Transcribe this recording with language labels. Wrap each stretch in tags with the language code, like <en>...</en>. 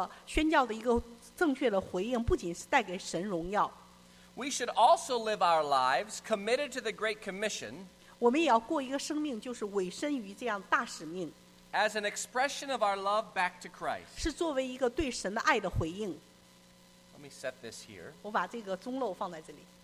<zh>我们就是一个对这样的一个宣教的一个正确的回应, 不仅是带给神荣耀。</zh> <en>We should also live our lives committed to the Great Commission,</en> <zh>我们也要过一个生命, 就是委身于这样大使命。</zh> <en>As an expression of our love back to Christ,</en> <zh>是作为一个对神的爱的回应。</zh> <en>Let me set this here.</en> <zh>我把这个钟楼放在这里。</zh>